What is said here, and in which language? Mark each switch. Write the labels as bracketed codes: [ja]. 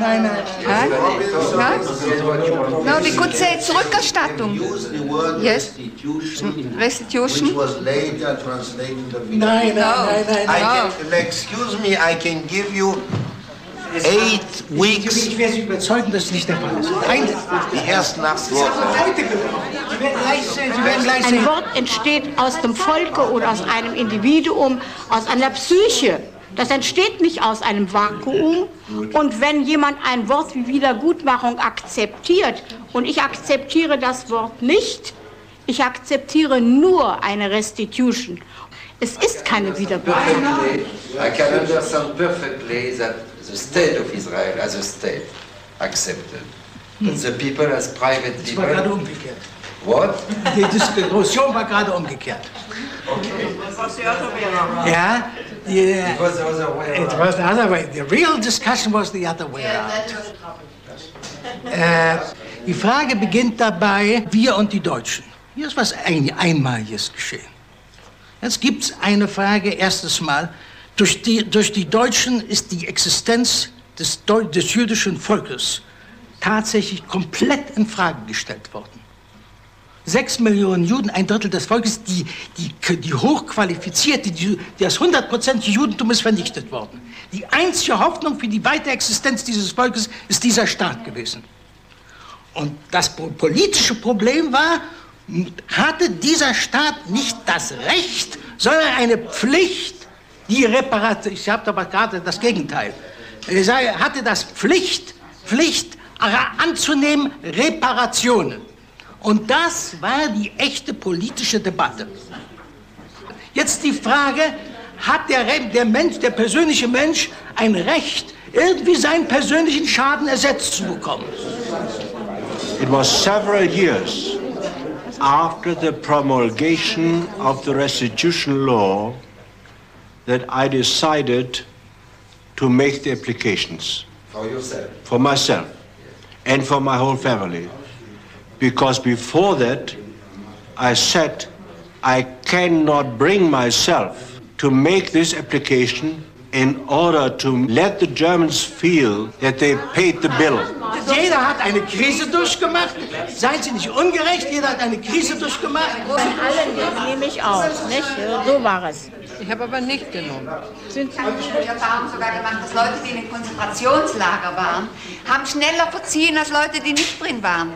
[en] No, we could say Zurückerstattung. Yes. Restitution. Which was later translated of no, no, no, no, no, no. I can, excuse me, I can give you 8 weeks. [de] Ich werde Sie überzeugen, dass es nicht der Fall ist. Nein, die ersten 8 Wochen. Ein Wort entsteht aus dem Volke oder aus einem Individuum, aus einer Psyche. Das entsteht nicht aus einem Vakuum. Und wenn jemand ein Wort wie Wiedergutmachung akzeptiert, und ich akzeptiere das Wort nicht, ich akzeptiere nur eine Restitution. Es ist keine Wiedergutmachung. [en] I can understand perfectly that the state of Israel as a state accepted the people as private people. [de] Es war gerade umgekehrt. [en] What? [de] Die Diskussion war gerade umgekehrt. [en] Okay. Ja? Yeah. It was the other way around. It was the other way. The real discussion was the other way around. [de] Die Frage beginnt dabei, wir und die Deutschen. Hier ist was Einmaliges geschehen. Jetzt gibt es eine Frage, erstes Mal. Durch die Deutschen ist die Existenz des jüdischen Volkes tatsächlich komplett in Frage gestellt worden. 6 Millionen Juden, ein Drittel des Volkes, die hochqualifizierte, die das 100% Judentum ist vernichtet worden. Die einzige Hoffnung für die weitere Existenz dieses Volkes ist dieser Staat gewesen. Und das politische Problem war, hatte dieser Staat nicht das Recht, sondern eine Pflicht, die Reparation, ich habe aber gerade das Gegenteil, hatte das Pflicht anzunehmen, Reparationen. Und das war die echte politische Debatte. Jetzt die Frage, hat der Mensch, der persönliche Mensch, ein Recht, irgendwie seinen persönlichen Schaden ersetzt zu bekommen? [en] It was several years after the promulgation of the restitution law that I decided to make the applications. For yourself? For myself and for my whole family. Because before that, I said, I cannot bring myself to make this application in order to let the Germans feel that they paid the bill. [de] Jeder hat eine Krise durchgemacht. Seien Sie nicht ungerecht, jeder hat eine Krise durchgemacht. Von allen, das nehme ich auf. Nicht? So war es. Ich habe aber nicht genommen. Ich habe die Erfahrung sogar gemacht, dass Leute, die in den Konzentrationslager waren, haben schneller verziehen als Leute, die nicht drin waren.